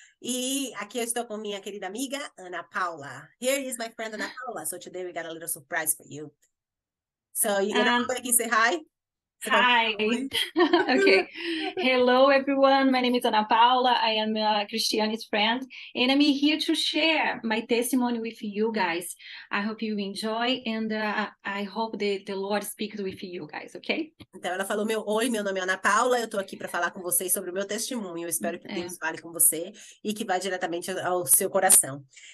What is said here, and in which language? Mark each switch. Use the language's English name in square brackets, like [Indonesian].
[Portuguese] E aqui eu estou com minha querida amiga Ana Paula. [English] Here is my friend Ana Paula. So today we got a little surprise for you. So you Ana, Ah, [Portuguese] por aqui, [English] say hi. [Portuguese] Você pode [English] hi. [Portuguese] falar oi. [English] Okay. Hello, everyone. My name is Ana Paula. I am Cristiane's friend, and I'm here to share my testimony with you guys. I hope you enjoy, and I hope the Lord speaks with you guys, okay? [Portuguese] Então, ela falou: Oi, meu nome é Ana Paula, eu estou aqui para falar com vocês sobre o meu testemunho. Eu espero que Deus fale com você e que vá diretamente ao seu coração.